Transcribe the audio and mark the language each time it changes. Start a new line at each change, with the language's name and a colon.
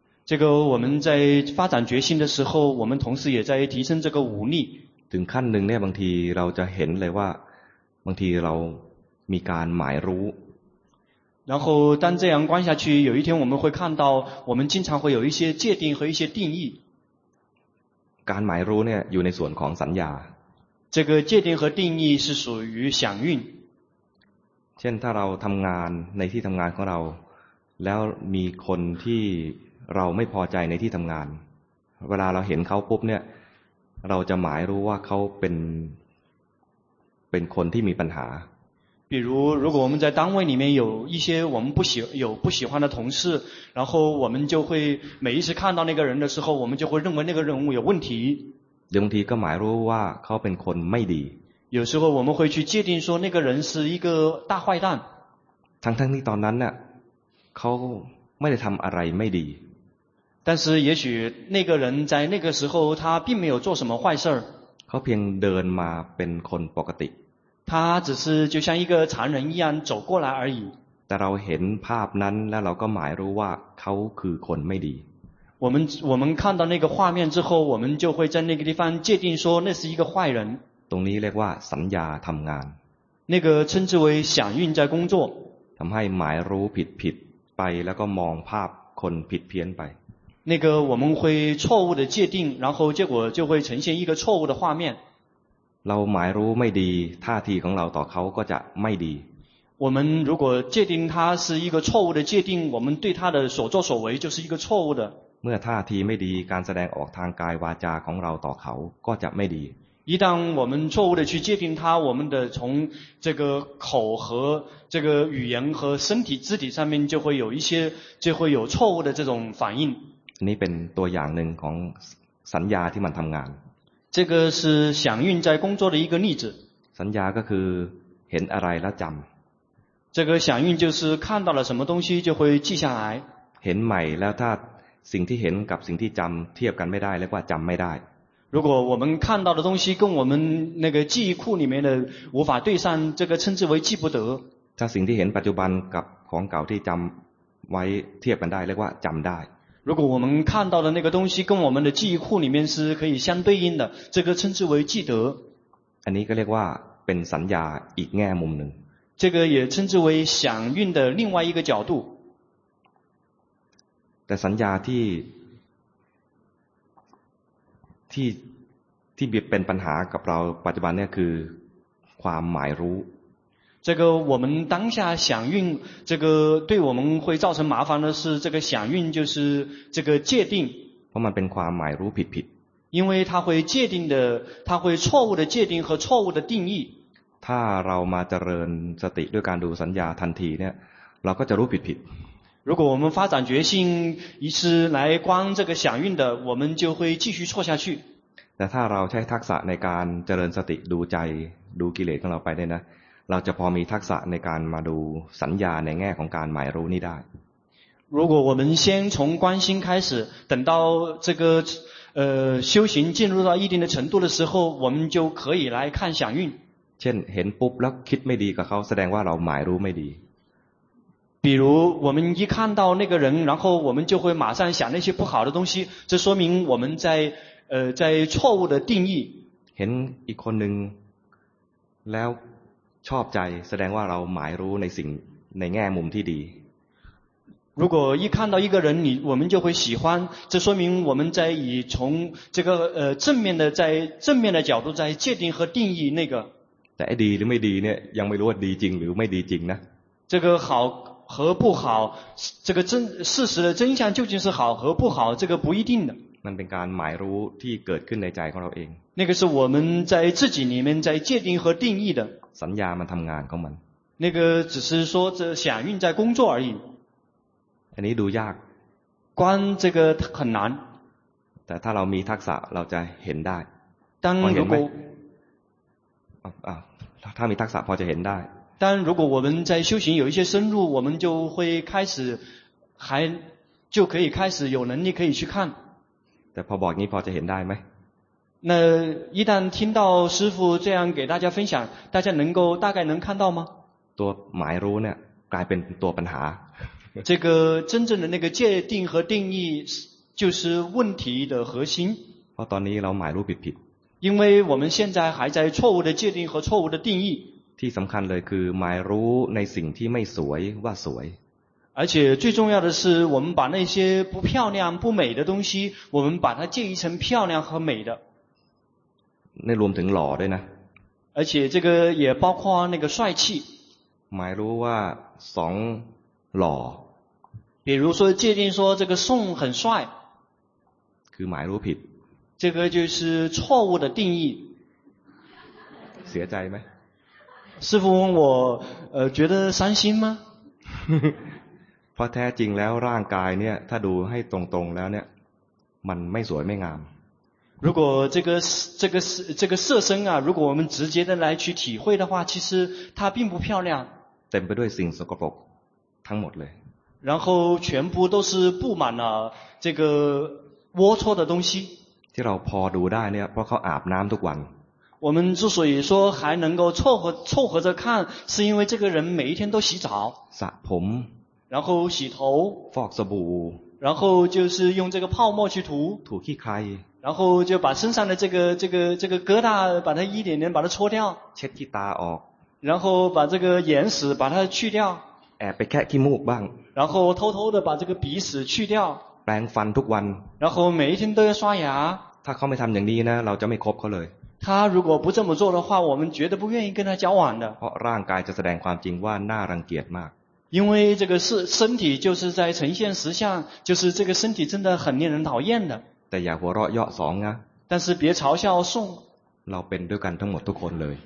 Chinese: 这个我们在发展决心的时候我们同时也在提升这个武力
Thai: ถึงขั้นหนึ่งเนี่ยบางทีเราจะเห็นเลยว่าบางทีเรามีการหมายรู้
Chinese: 然后当这样观下去有一天我们会看到我们经常会有一些界定和一些定义
Thai: การหมายรู้เนี่ยอยู่ในส่วนของสัญญา
Chinese: 这个界定和定义是属于想运
Thai: เช่นถ้าเราทำงานในที่ทำงานของเราแล้วมีคนที่เราไม่พอใจในที่ทำงานเวลาเราเห็นเขาปุ๊บเนี่ยเราจะหมายรู้ว่าเขาเป็นคนที่มีปัญหา
Chinese: 比如如果我们在单位里面有一些我们不喜欢的同事然后我们就会每一次看到那个人的时候我们就会认为那个人物有问题
Thai: บางทีก็หมายรู้ว่าเขาเป็นคนไม่ดี
Chinese: 有时候我们会去界定说那个人是一个大坏蛋
Thai: ทั้งที่ตอนนั้นเนี่ยเขาไม่ได้ทำอะไรไม่ดี
Chinese: 但是也许那个人在那个时候他并没有做什么坏事
Thai: เขาเพียงเดินมาเป็นคนปกติ
Chinese: 他只是就像一个常人一样走过来而已
Thai: แต่เราเห็นภาพนั้นแล้วเราก็หมายรู้ว่าเขาคือคนไม่ดี
Chinese: 我们看到那个画面之后我们就会在那个地方界定说那是一个坏人
Thai: ตรงนี้เรียกว่าสัญญาทำงาน
Chinese: 那个称之为想运在工作
Thai: ทำให้หมายรู้ผิดไปแล้วก็มองภาพคนผิดเพี้ยนไป
Chinese: 那个我们会错误的界定然后结果就会呈现一个错误的画面
Thai: เราหมายรู้ไม่ดีท่าทีของเราต่อเขาก็จะไม่ดี
Chinese: 我们如果界定他是一个错误的界定我们对他的所作所为就是一个错误的
Thai: เมื่อท่าทีไม่ดีการแสดงออกทางกายวาจาของเราต่อเขาก็จะไม่ดี
Chinese: 一旦我们错误的去界定他我们的从这个口和这个语言和身体肢体上面就会有一些就会有错误的这种反应
Thai: อันนี้เป็นตัวอย่างหนึ่งของสัญญาที่มันทำงาน
Chinese: 这个是想运在工作的一个例子
Thai: สัญญาก็คือเห็นอะไรแล้วจำ
Chinese: 这个想运就是看到了什么东西就会记下来
Thai: เห็นใหม่แล้วถ้าสิ่งที่เห็นกับสิ่งที่จำเทียบกันไม่ได้เรียกว่าจำไม่ได้
Chinese: 如果我们看到的东西跟我们那个记忆库里面的无法对上这个称之为记不得
Thai: ถ้าสิ่งที่เห็นปัจจุบันกับของเก่าที่จำไว้เทียบกันได้เรียกว่าจำได้
Chinese: 如果我们看到的那个东西跟我们的记忆库里面是可以相对应的这个称之为记得
Thai: อันนี้ก็เรียกว่าเป็นสัญญาอีกแง่มุมหนึ่ง
Chinese: 这个也称之为想运的另外一个角度
Thai: แต่สัญญาที่เป็นปัญหากับเราปัจจุบันเนี่ยคือความหมายรู้
Chinese: 这个我们当下想运这个对我们会造成麻烦的是这个想运就是这个界定
Thai: เพราะมันเป็นความหมายรู้ผิด
Chinese: 因为它会界定的它会错误的界定和错误的定义
Thai: ถ้าเรามาเจริญสติด้วยการดูสัญญาทันทีเนี่ยเราก็จะรู้ผิด
Chinese: 如果我们发展决心一次来观这个想运的我们就会继续错下去
Thai: แต่ถ้าเราใช้ทักษะในการเจริญสติดูใจดูกิเลสของเราไปได้นะเราจะพอมีทักษะในการมาดูสัญญาในแง่ของการหมายรู้นี่ได้
Chinese: 如果我们先从观心开始等到这个修行进入到一定的程度的时候我们就可以来看想运
Thai: เช่นเห็นปุ๊บแล้วคิดไม่ดีกับเขาแสดงว่าเราหมายรู้ไม่ดี
Chinese: 比如我们一看到那个人然后我们就会马上想那些不好的东西这说明我们在错误的定义
Thai: เห็นอีกคนหนึ่งแล้วชอบใจแสดงว่าเราหมายรู้ในสิ่งในแง่มุมที่ดี
Chinese: 如果一看到一个人你我们就会喜欢这说明我们在以从这个正面的角度在界定和定义那个
Thai: แต่ดีหรือไม่ดีเนี่ยยังไม่รู้ว่าดีจริงหรือไม่ดีจริงนะ
Chinese: 这个好和不好，这个真事实的真相究竟是好和不好，这个不一定的。
Thai: มันเป็นการหมายรู้ที่เกิดขึ้นในใจของเราเอง
Chinese: 那个是我们在自己里面在界定和定义的。
Thai: สัญญามันทำงานของมัน
Chinese: 那个只是说这响应在工作而已。
Thai: อันนี้ดูยาก
Chinese: 观这个很难。
Thai: แต่ถ้าเรามีทักษะเราจะเห็นได้
Chinese: 。 当如果
Thai: ถ้ามีทักษะพอจะเห็นได้。
Chinese: 当如果我们在修行有一些深入，我们就会开始还就可以开始有能力可以去看。
Thai: แต่พอบอกนี้พอจะเห็นได้ไ
Chinese: หม那一旦听到师父这样给大家分享大家能够大概能看到吗
Thai: ตัวหมายรู้เนี่ยกลายเป็นตัวปัญหา
Chinese: 这个真正的那个界定和定义就是问题的核心
Thai: เพราะตอนนี้เราหมายรู้ผิด
Chinese: 因为我们现在还在错误的界定和错误的定义
Thai: ที่สำคัญเลยคือหมายรู้ในสิ่งที่ไม่สวยว่าสวย
Chinese: 而且最重要的是我们把那些不漂亮不美的东西我们把它借一层漂亮和美的
Thai: 那รวมถึงหล่อด้วยนะ
Chinese: 而且这个也包括那个帅气
Thai: หมายรู้ว่าสองหล่อ
Chinese: 比如说界定说这个宋很帅
Thai: คือหมายรู้ผิด
Chinese: 这个就是错误的定义
Thai: เสียใจไหม
Chinese: 师父问我觉得伤心吗
Thai: เพราะแท้จริงแล้วร่างกายเนี่ยถ้าดูให้ตรงๆแล้วเนี่ยมันไม่สวยไม่งาม
Chinese: 如果这个色身啊如果我们直接的来去体会的话其实它并不漂亮
Thai: เต็มไปด้วยสิ่งสกปรกทั้งหมดเลย
Chinese: 然后全部都是布满了这个龌龊的东西
Thai: ที่เราพอดูได้เนี่ยเพราะเขาอาบน้ำทุกวัน
Chinese: 我们之所以说还能够凑合着看是因为这个人每一天都洗澡
Thai: สระผม
Chinese: 然后洗头
Thai: ฟอกสบู่
Chinese: 然后就是用这个泡沫去涂
Thai: 涂ขี้ใคร
Chinese: 然后就把身上的这个疙瘩把它一点点把它搓掉
Thai: เช็ดขี้ตาออก
Chinese: 然后把这个眼屎把它去掉
Thai: แอบไปแคะขี้มูกบ้าง
Chinese: 然后偷偷的把这个鼻屎去掉
Thai: แปรงฟันทุกวัน
Chinese: 然后每一天都要刷牙
Thai: ถ้าเขาไม่ทำอย่างนี้นะเราจะไม่คบเขาเลย
Chinese: 他如果不这么做的话我们绝对不愿意跟他交往的
Thai: เพราะร่างกายจะแสดงความจริงว่าน่ารังเกียจมาก
Chinese: 因为这个是身体就是在呈现实相就是这个身体真的很令人讨厌的
Thai: แต่อย่าหัวเราะเยาะสองนะ
Chinese: 但是别嘲笑宋
Thai: เราเป็นด้วยกันทั้งหมดทุกคนเลย